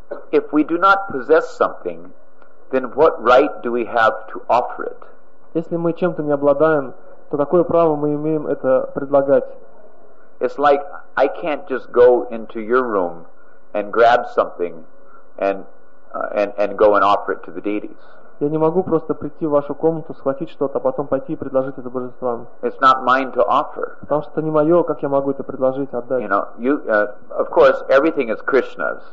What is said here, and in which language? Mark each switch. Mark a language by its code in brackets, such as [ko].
[en] If we do not possess something, then what right do we have to offer it? [ru] Если мы чем-то не обладаем, то какое право мы имеем это предлагать? [en] It's like I can't just go into your room and grab something and go and offer it to the deities. [ru] Я не могу просто прийти в вашу комнату, схватить что-то, а потом пойти и предложить это божествам. [en] It's not mine to offer. [ru] Потому что это не мое, как я могу это предложить, отдать? [en] You know, of course, everything is Krishna's.